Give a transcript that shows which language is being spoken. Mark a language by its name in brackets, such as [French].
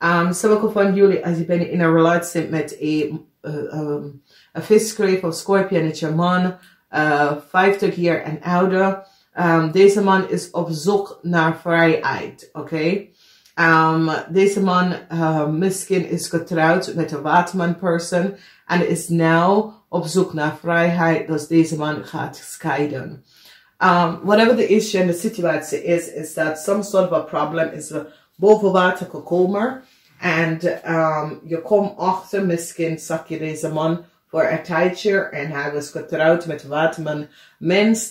[Dutch] Sommige van jullie, als je bent in een relatie met een viskreef of scorpionetje man, 50 jaar en ouder, deze man is op zoek naar vrijheid, oké? Okay? Deze man misschien is getrouwd met een waterman persoon en is nu op zoek naar vrijheid, dus deze man gaat scheiden. [English] Whatever the issue in the situation is that some sort of a problem is [Dutch] boven water gekomen. And je komt achter, misschien zag je deze man voor een tijdje en hij was getrouwd met waterman mens.